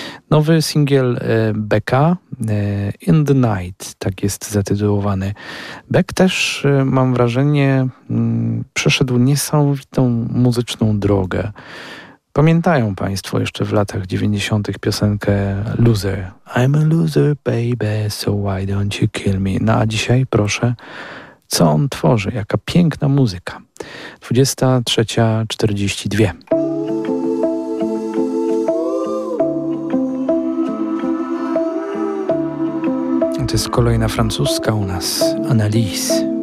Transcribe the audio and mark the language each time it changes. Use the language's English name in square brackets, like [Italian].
[Polish] Nowy singiel Becka, In the Night, tak jest zatytułowany. Beck też, mam wrażenie, przeszedł niesamowitą muzyczną drogę. Pamiętają Państwo jeszcze w latach 90. piosenkę Loser. [English] I'm a loser, baby, so why don't you kill me? [Polish] No a dzisiaj proszę, co on tworzy? Jaka piękna muzyka. 23:42. To jest kolejna francuska u nas, Annalise.